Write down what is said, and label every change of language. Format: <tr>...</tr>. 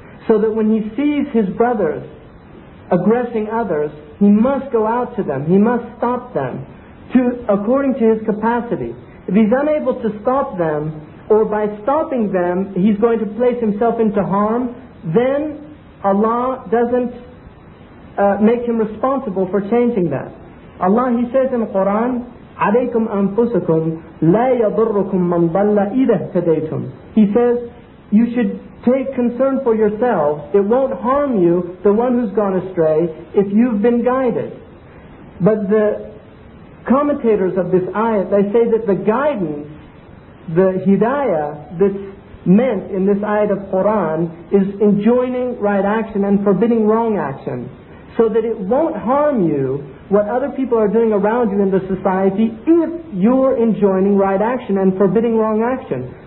<en>So that when he sees his brothers aggressing others, he must go out to them, he must stop them, according to his capacity. If he's unable to stop them, or by stopping them, he's going to place himself into harm, then Allah doesn't make him responsible for changing that. Allah, He says in the Quran,</en> <ar>عَلَيْكُمْ أَنفُسَكُمْ لَا يَضُرُّكُمْ مَنْ ضَلَّ إِذَا اهْتَدَيْتُمْ.</ar> <en>He says, you should take concern for yourself. It won't harm you, the one who's gone astray, if you've been guided. But the commentators of this ayat, they say that the guidance, the hidayah that's meant in this ayat of Quran, is enjoining right action and forbidding wrong action, so that it won't harm you what other people are doing around you in the society if you're enjoining right action and forbidding wrong action.</en>